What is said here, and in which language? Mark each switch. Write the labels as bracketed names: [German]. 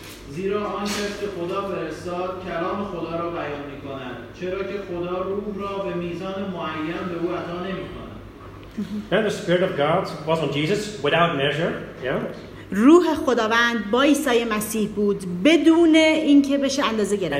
[Persian] زیرا آن کسی که خدا فرستاد کلام خدا را بیان می کند، چرا که خدا روح را به میزان معین به او عطا نمی کند. [English] And the Spirit of God was on Jesus without measure. [Persian] روح خداوند با عیسی مسیح بود بدون اینکه بشه اندازه گرفت.